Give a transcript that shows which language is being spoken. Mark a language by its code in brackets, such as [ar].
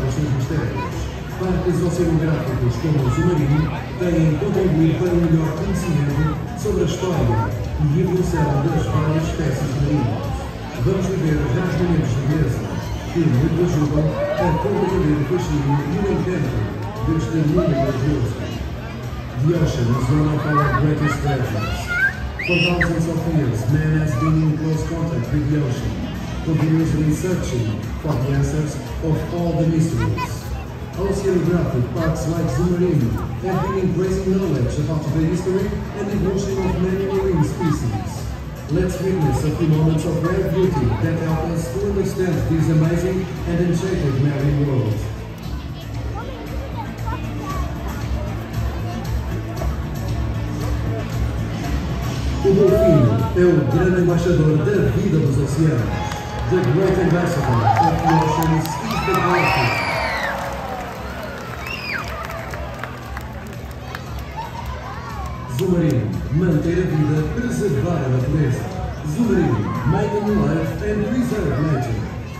[pt] Como o Zoomarine, têm contribuído para um melhor conhecimento sobre a história e a evolução das várias espécies marinhas. Vamos viver vários momentos de mesa que nos ajudam a compreender o fascínio e o encanto deste mundo maravilhoso. [en] The ocean is one of our greatest treasures. For thousands of years, man has been in close contact with the ocean, continuously searching for the answers of all the mysteries. Oceanographic parks like Zoomarine have been embracing knowledge about the history and evolution of many marine species. Let's witness a few moments of rare beauty that help us to understand this amazing and enchanted marine world. [pt] O Dolphin é o grande embaixador da vida dos oceanos. [en] The great ambassador of the oceans is the Dolphin. [pt] Zoomarine, manter a vida, preservar a natureza. [en] Zoomarine, make a new life and preserve nature.